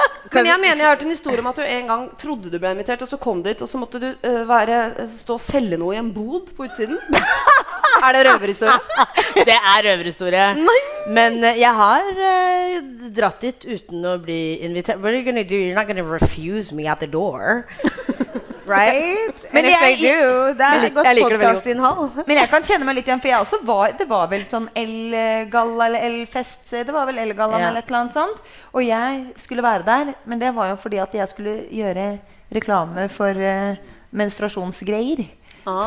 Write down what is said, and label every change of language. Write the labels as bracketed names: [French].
[Norwegian] Men jeg mener, jeg har hørt en historie om at du en gang trodde du ble invitert, og så kom dit, og så måtte du stå og selge noe I en bod på utsiden. det røverhistorie? Det røverhistorie. Nei! Men jeg har dratt dit uten å bli invitert. [English] What are you gonna do? You're not gonna refuse me at the door. Right? [Norwegian] Men [English] if they do, [Norwegian] det godt podcast-innhold. Men jeg kan kjenne meg litt igjen, for jeg også var, det var vel sånn L-galla eller L-fest, det var vel L-galla yeah. eller et eller annet sånt. Og jeg skulle være der, men det var jo fordi at jeg skulle gjøre reklame for menstruasjonsgreier. Ah.